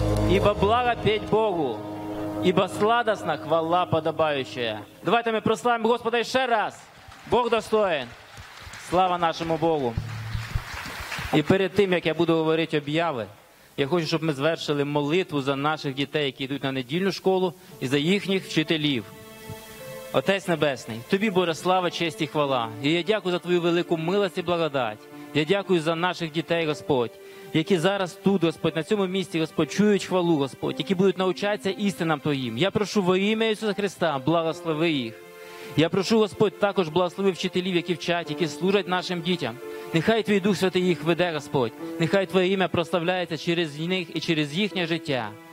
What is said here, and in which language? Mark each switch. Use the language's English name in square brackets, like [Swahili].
[Russian] Ибо благо петь Богу, ибо сладостна хвала подобающая. Давайте мы прославим Господа еще раз. Бог достоин. Слава нашему Богу. И перед тем, как я буду говорить об'яви, я хочу, чтобы мы завершили молитву за наших детей, которые идут на недельную школу, и за их вчителей. [Ukrainian] Отець Небесный, Тобі, Боже, слава, честь и хвала. И я дякую за Твою велику милость и благодать. Я дякую за [Russian] наших детей, [Ukrainian] Господь, які зараз тут, Господь, на цьому місці, Господь, чують хвалу, Господь, які будуть навчатися істинам Твоїм. Я прошу во ім'я Ісуса Христа, благослови їх. Я прошу, Господь, також благослови вчителів, які вчать, які служать нашим дітям. Нехай Твій Дух Святий їх веде, Господь. Нехай Твоє ім'я прославляється через них і через їхнє життя.